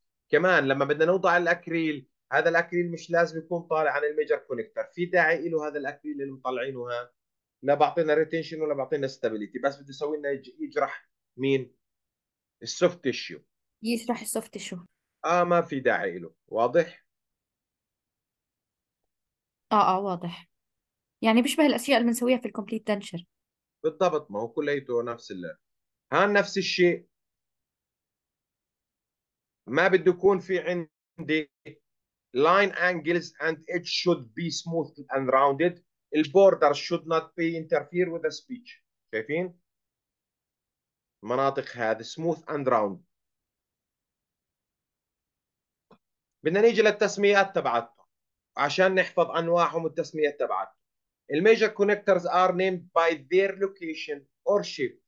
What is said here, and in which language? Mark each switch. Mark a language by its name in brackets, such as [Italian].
[Arabic] كمان لما بدنا نوضع الاكريل، هذا الاكريل مش لازم يكون طالع عن الميجر كونكتر، في داعي له هذا الاكريل اللي مطلعينه؟ ها لا بعطينا ريتنشن ولا بعطينا ستابيليتي، بس بده يسوي لنا يجرح مين؟ السوفت تيشو، يشرح السوفت تيشو. ما في داعي له. واضح؟ واضح، يعني بيشبه الاشياء اللي بنسويها في الكومبليت دنشر. بالضبط، ما هو كليته نفس ال ها نفس الشيء. ما بده يكون في عندي [English] line angles and it should be smooth and rounded. The border should not be interfere with the speech. [Arabic] شايفين؟ المناطق هذه [English] smooth and round. [Arabic] بدنا نيجي للتسميات تبعته عشان نحفظ انواعهم والتسميات تبعته. [English] الميجر connectors are named by their location or shape.